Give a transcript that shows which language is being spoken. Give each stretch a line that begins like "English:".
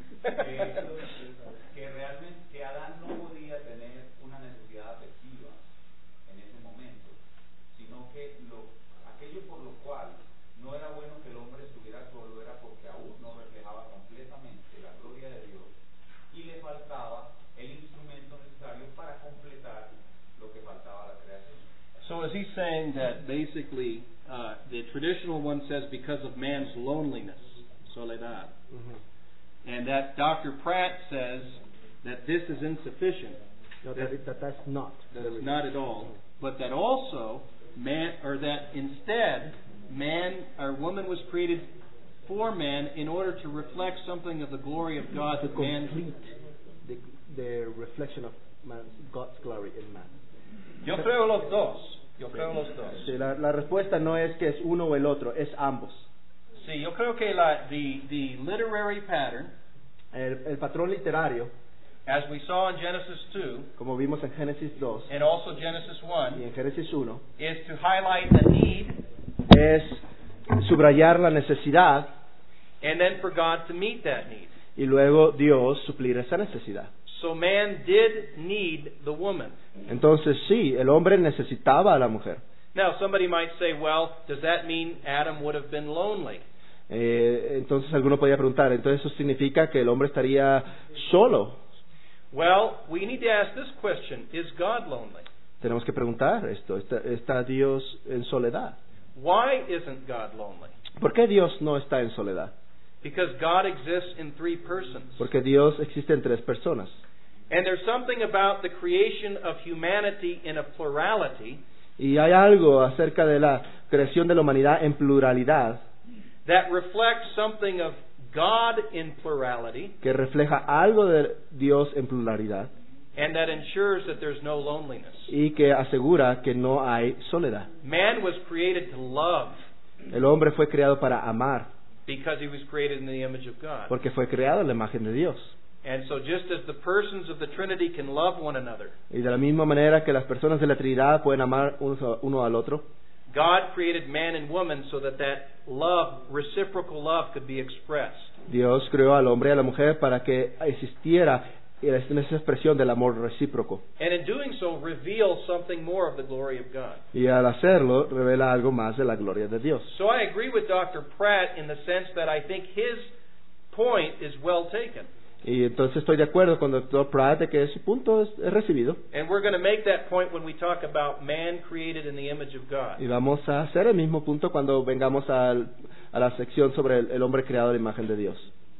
Spanish: Que realmente que Adán no podía tener una necesidad afectiva en ese momento, sino que aquello por lo cual no era bueno que el hombre estuviera solo era porque aún no reflejaba completamente la gloria de Dios y le faltaba el instrumento necesario para completar lo que faltaba a la creación.
English: So is he saying that basically the traditional one says because of man's loneliness, soledad. Mm-hmm. And that Dr. Pratt says that this is insufficient. No, that's not. That's not at all. Mm-hmm. But that also, man, or that instead, man or woman was created for man in order to reflect something of the glory of God to complete the reflection of God's glory in man.
Spanish: Yo creo los dos. Yo creo los dos. Sí, la respuesta no es que es uno o el otro, es ambos. Sí, yo creo que
English: the literary pattern,
Spanish: el patrón literario,
English: as we saw in Genesis 2,
Spanish: como vimos en Génesis 2,
English: and also Genesis 1,
Spanish: y en Génesis 1,
English: is to highlight the need,
Spanish: es subrayar la necesidad,
English: and then for God to meet that need.
Spanish: Y luego Dios suplir esa necesidad.
English: So man did need the woman.
Spanish: Entonces sí, el hombre necesitaba a la mujer.
English: Now somebody might say, well, does that mean Adam would have been lonely?
Spanish: Entonces alguno podría preguntar, ¿entonces eso significa que el hombre estaría solo?
English: Well, we need to ask this question, is God lonely?
Spanish: Tenemos que preguntar esto, ¿está Dios en soledad?
English: Why isn't God lonely?
Spanish: ¿Por qué Dios no está en soledad?
English: Because God exists in three persons.
Spanish: Porque Dios existe en tres personas.
English: And there's something about the creation of humanity in a plurality.
Spanish: Y hay algo acerca de la creación de la humanidad en pluralidad.
English: That reflects something of God in plurality.
Spanish: Que refleja algo de Dios en pluralidad.
English: And that ensures that there's no loneliness.
Spanish: Y que asegura que no hay soledad.
English: Man was created to love.
Spanish: El hombre fue creado para amar.
English: Because he was created in the image of God.
Spanish: Porque fue creado en la imagen de Dios.
English: And so just as the persons of the Trinity can love one another.
Spanish: Y de la misma manera que las personas de la Trinidad pueden amar uno al otro.
English: God created man and woman so that love, reciprocal love could be expressed.
Spanish: Dios creó al hombre y a la mujer para que existiera esa expresión del amor recíproco.
English: And in doing so reveal something more of the glory of God.
Spanish: Y al hacerlo revela algo más de la gloria de Dios.
English: So I agree with Dr. Pratt in the sense that I think his point is well taken.
Spanish: Y entonces estoy de acuerdo con Dr. Pratt de que su punto es recibido.
English: And we're going to make that point when we talk about man created in the image of God.
Spanish: Y vamos a hacer el mismo punto cuando vengamos a la sección sobre el hombre creado a la imagen de Dios.